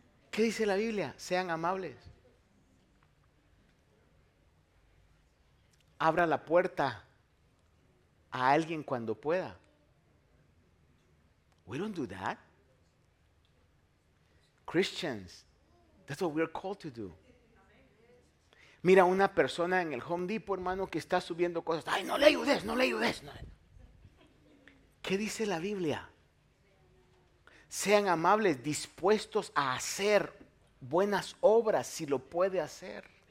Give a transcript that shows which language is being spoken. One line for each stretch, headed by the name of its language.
Spanish: ¿Qué dice la Biblia? Sean amables. Abra la puerta a alguien cuando pueda.
English: We don't do that. Christians, that's what we are called to do.
Spanish: Mira una persona en el Home Depot, hermano, que está subiendo cosas. Ay, no le ayudes, no le ayudes. No le... ¿Qué dice la Biblia? Sean amables, dispuestos a hacer buenas obras si lo puede hacer.